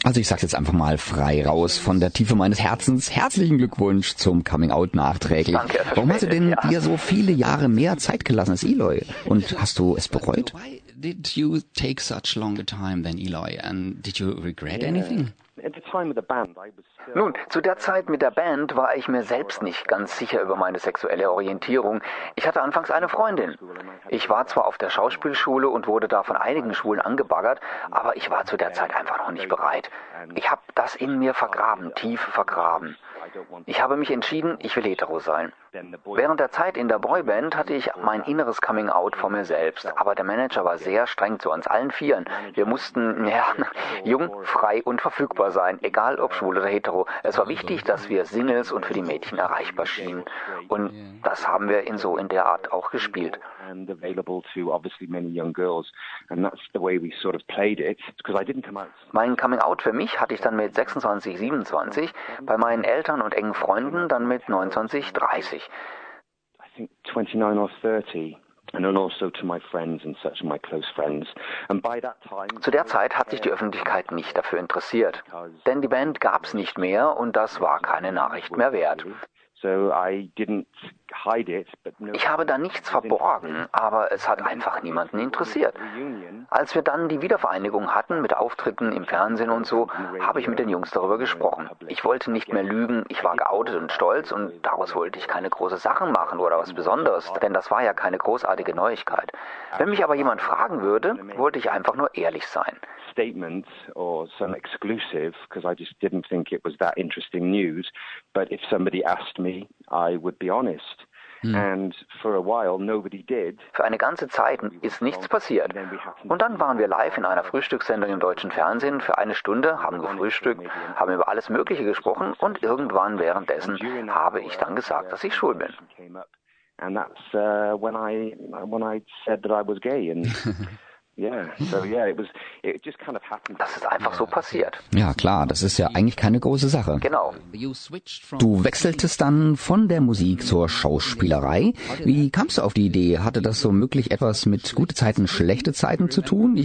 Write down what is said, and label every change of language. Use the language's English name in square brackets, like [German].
[German] Also ich sag's jetzt einfach mal frei raus von der Tiefe meines Herzens. Herzlichen Glückwunsch zum Coming Out nachträglich. Danke. Warum hast du denn dir so viele Jahre mehr Zeit gelassen als Eloy? Und hast du es bereut? [English] Why did you take such longer time than Eloy? And did you regret anything? [German] Nun, zu der Zeit mit der Band war ich mir selbst nicht ganz sicher über meine sexuelle Orientierung. Ich hatte anfangs eine Freundin. Ich war zwar auf der Schauspielschule und wurde da von einigen Schwulen angebaggert, aber ich war zu der Zeit einfach noch nicht bereit. Ich habe das in mir vergraben, tief vergraben. Ich habe mich entschieden, ich will hetero sein. Während der Zeit in der Boyband hatte ich mein inneres Coming-out vor mir selbst, aber der Manager war sehr streng zu uns allen Vieren. Wir mussten, ja, jung, frei und verfügbar sein, egal ob schwul oder hetero. Es war wichtig, dass wir Singles und für die Mädchen erreichbar schienen. Und das haben wir in so in der Art auch gespielt. [English] And available to obviously many young girls, and that's the way we sort of played it, because I didn't come out. [German] Mein Coming Out für mich hatte ich dann mit 26, 27, bei meinen Eltern und engen Freunden dann mit 29, 30. [English] I think 29 or 30. And then also to my friends and such, my close friends. And by that time, [German] zu der Zeit hat sich die Öffentlichkeit nicht dafür interessiert, denn die Band gab's nicht mehr und das war keine Nachricht mehr wert. [English] So I didn't hide it, but no, [German] ich habe da nichts verborgen, aber es hat einfach niemanden interessiert. Als wir dann die Wiedervereinigung hatten mit Auftritten im Fernsehen und so, habe ich mit den Jungs darüber gesprochen. Ich wollte nicht mehr lügen, ich war geoutet und stolz und daraus wollte ich keine große Sache machen oder was Besonderes, denn das war ja keine großartige Neuigkeit. Wenn mich aber jemand fragen würde, wollte ich einfach nur ehrlich sein. [English] Statement or some exclusive, because I just didn't think it was that interesting news, but if somebody asked me, I would be honest. [German] Für eine ganze Zeit ist nichts passiert. Und dann waren wir live in einer Frühstückssendung im deutschen Fernsehen für eine Stunde, haben gefrühstückt, haben über alles Mögliche gesprochen und irgendwann währenddessen habe ich dann gesagt, dass ich schwul bin. [English] And that's when I said that I was gay and [German] Das ist einfach so passiert. Ja, klar, das ist ja eigentlich keine große Sache. Genau. Du wechseltest dann von der Musik zur Schauspielerei. Wie kamst du auf die Idee? Hatte das womöglich etwas mit Gute Zeiten, Schlechte Zeiten zu tun?